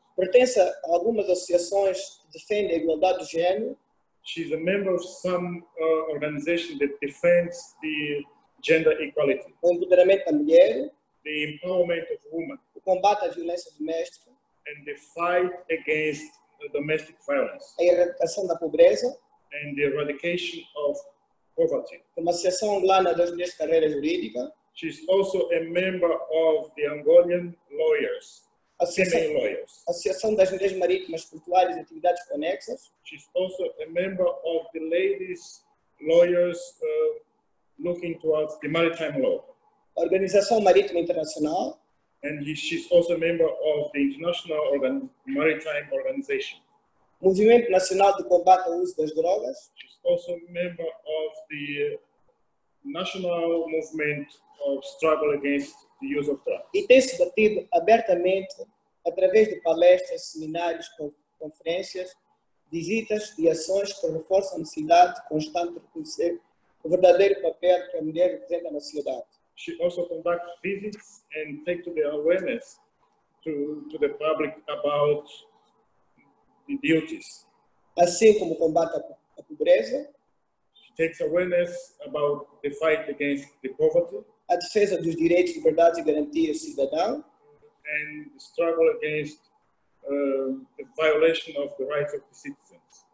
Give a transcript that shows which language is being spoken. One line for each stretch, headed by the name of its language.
Portuguese: Pertence a algumas associações que defendem a igualdade de género.
English: She's a member of some organization that defends the gender equality.
Portuguese: O empoderamento da mulher.
English: The empowerment of women.
Portuguese: O combate à violência doméstica.
English: And the fight against domestic violence.
Portuguese: A erradicação da pobreza.
English: And the eradication of poverty.
Portuguese: Uma associação angolana das mulheres de carreira jurídica.
English: She's also a member of the Angolan lawyers.
Portuguese: Associação das Mulheres Marítimas Portuárias e Atividades Conexas.
English: She's also a member of the ladies lawyers looking towards the maritime law.
Portuguese: Organização Marítima Internacional.
English: And she's also a member of the International Maritime Organization.
Portuguese: Movimento Nacional de Combate ao Uso das Drogas.
English: She's also a member of the National Movement of Struggle Against the Use of Drugs.
Portuguese: E tem-se batido abertamente através de palestras, seminários, conferências, visitas e ações que reforçam a necessidade constante de reconhecer o verdadeiro papel que a mulher representa na sociedade.
English: She also conducts visits and takes to the awareness to the public about the duties.
Portuguese: Assim como combate a pobreza.
English: She takes awareness about the fight against the poverty.
Portuguese: A defesa dos direitos, liberdades e garantias do cidadão.
English: And the struggle against the violation of the rights of the citizens.